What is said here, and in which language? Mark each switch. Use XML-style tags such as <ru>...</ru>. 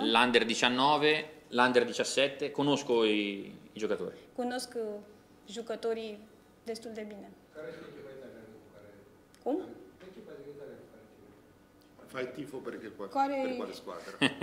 <it>L'under 19, l'under 17, conosco i giocatori.</it> <ro>Cunosc jucătorii destul de bine.</ro> <it>Fai tifo per quale squadra?</it>